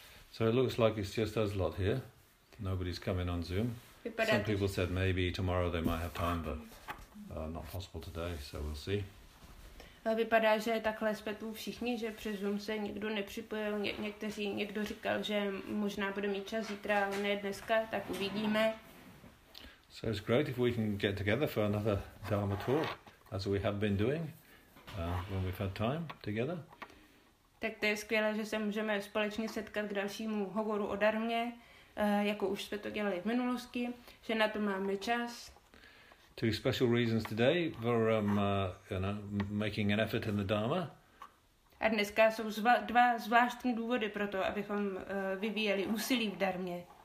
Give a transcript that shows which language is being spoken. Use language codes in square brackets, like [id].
[en] So it looks like it's just us lot here. Nobody's coming on Zoom. Some people said maybe tomorrow they might have time, but not possible today, so we'll see. [cs] vypadá, že takhle jsme tu všichni, že přes Zoom se nikdo nepřipojil. Někdo říkal, že možná bude mít čas zítra, ale ne dneska, tak uvidíme. [en] So it's great if we can get together for another Dharma talk, as we have been doing, when we've had time together. [cs] Tak to je skvělé, že se můžeme společně setkat k dalšímu hovoru o darmě, jako už jsme to dělali v minulosti, že na to máme čas. [en] Two special reasons today for making an effort in the Dharma. [cs] A dneska jsou dva zvláštní důvody pro to, abychom vyvíjeli úsilí v darmě.